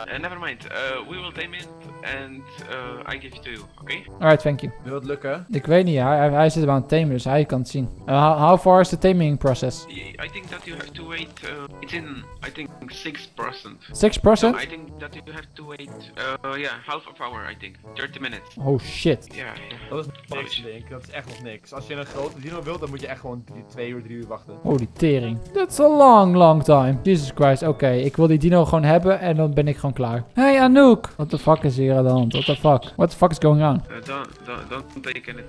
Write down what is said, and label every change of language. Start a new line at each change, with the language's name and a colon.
English: Never mind, we will tame it and I give it to you, okay? Alright, thank you.
Dutch: Wil het lukken? Ik weet niet, hij zit aan het tamen, dus hij kan het zien.
English: How far is the taming process? I think that you have to wait, it's in, I think, 6%. 6%? No, I think that you have to wait, half of hour, I think. 30 minutes. Oh shit. Yeah.
Dutch: Dat is niks, Link. Dat is echt nog niks. Als je een grote dino wilt, dan moet je echt gewoon 2 uur, 3 uur wachten.
English: Holy tering. That's a long, long time. Jesus Christ.
Dutch: Oké, ik wil die dino gewoon hebben en dan ben ik gewoon klaar.
English: Hey Anouk! What the fuck is
Dutch: hier aan de hand?
English: What the fuck? What the fuck is going on? Don't take it.